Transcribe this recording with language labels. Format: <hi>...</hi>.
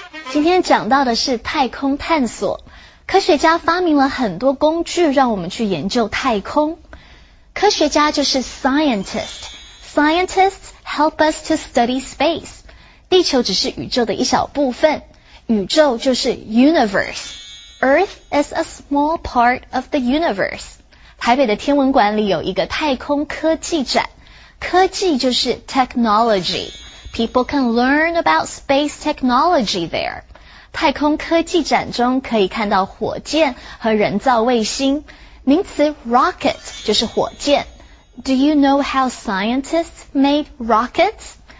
<zh>今天讲到的是太空探索。科学家发明了很多工具让我们去研究太空。</zh> <en>科学家就是 scientist. Scientists help us to study space.</en> <zh>地球只是宇宙的一小部分。宇宙就是 universe.</zh> <en>Earth is a small part of the universe.</en> <zh>台北的天文馆里有一个太空科技展。</zh> <en>科技就是 technology. People can learn about space technology there.</en> <zh>太空科技展中可以看到火箭和人造卫星。</zh> <en>名词 rocket 就是火箭。 Do you know how scientists made rockets?</en>